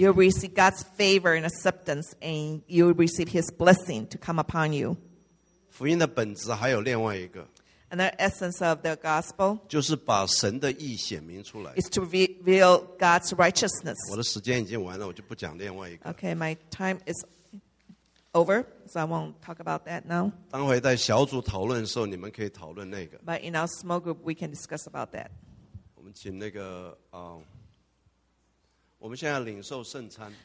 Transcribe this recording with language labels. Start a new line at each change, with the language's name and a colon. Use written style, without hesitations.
English: You'll receive God's favor and acceptance, and you'll receive His blessing to come upon you.
Chinese: 福音的本质还有另外一个。
English: Another essence of the gospel.
Chinese: 就是把神的义显明出来。
English: Is to reveal God's righteousness.
Chinese: 我的时间已经完了，我就不讲另外一个。
English: Okay, my time is over, so I won't talk about that now.
Chinese: 当回在小组讨论的时候，你们可以讨论那个。
English: But in our small group, we can discuss about that.
Chinese: 我们请那个我们现在领受圣餐。